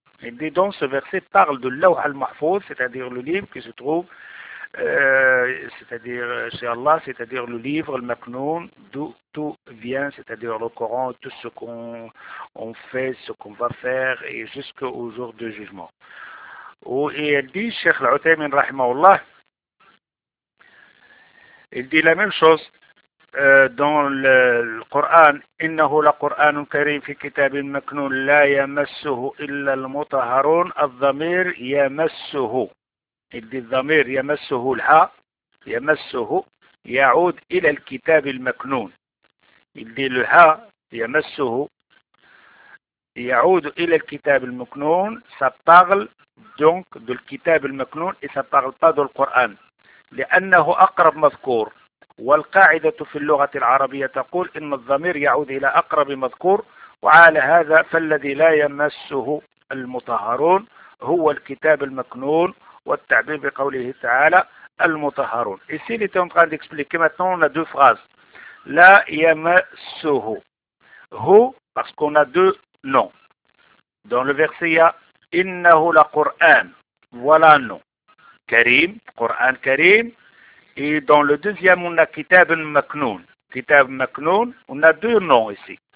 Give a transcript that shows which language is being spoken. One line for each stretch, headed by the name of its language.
French: Il dit dans ce verset, parle de l'Awh al-Mahfouz, c'est-à-dire le livre qui se trouve c'est-à-dire chez Allah, c'est-à-dire le livre, le maknoun, d'où tout vient, c'est-à-dire le Coran, tout ce qu'on fait, ce qu'on va faire, et jusqu'au jour du jugement. Et elle dit, Cheikh Al-Uthaymin, rahimahullah, il dit la même chose. Dans le Coran,
Arabic: إنه لقرآن كريم في كتاب مكنون لا يمسه إلا المطهرون الضمير يمسه.
French: Il dit
Arabic: الضمير يمسه الحاء يمسه يعود إلى الكتاب المكنون.
French: Il dit
Arabic: الحاء يمسه يعود إلى الكتاب المكنون.
French: Ça parle donc du kitab al-maknoun et ça parle pas du Coran.
Arabic: لأنه أقرب مذكور. والقاعدة في اللغة العربية تقول إن الضمير يعود إلى أقرب مذكور، وعلى هذا فالذي لا يمسه المطهرون هو الكتاب المكنون، والتعبير بقوله تعالى المطهرون.
French: Ici, il était en train d'expliquer maintenant, on a deux phrases.
Arabic: لا يمسه.
French: هو, parce qu'on a deux noms. Dans le verset,
Arabic: إنه لقرآن.
French: Voilà un nom.
Arabic: كريم, قرآن كريم.
French: Et dans le deuxième, on a Kitab al-Maknoun. Kitab al-Maknoun, on a deux noms ici.